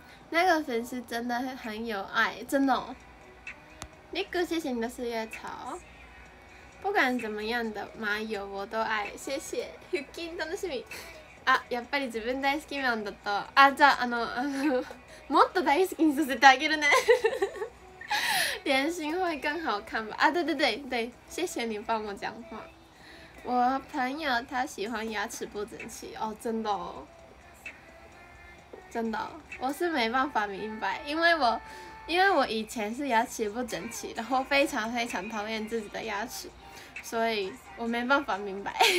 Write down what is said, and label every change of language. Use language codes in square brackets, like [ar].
[zh] 那个粉丝真的很有爱，真的、哦。Nico， 谢谢你的四叶草。不管怎么样的麻油我都爱，谢谢。 [ja] 腹筋楽しみ。あ、やっぱり自分大好きなんだと。あ、じゃあもっと大好きにさせてあげるね。 [zh] 脸型会更好看吧？啊，对对对对，谢谢你帮我讲话。我朋友他喜欢牙齿不整齐哦，真的哦。真的、哦、我是没办法明白，因为我以前是牙齿不整齐，然后非常非常讨厌自己的牙齿，所以我没办法明白。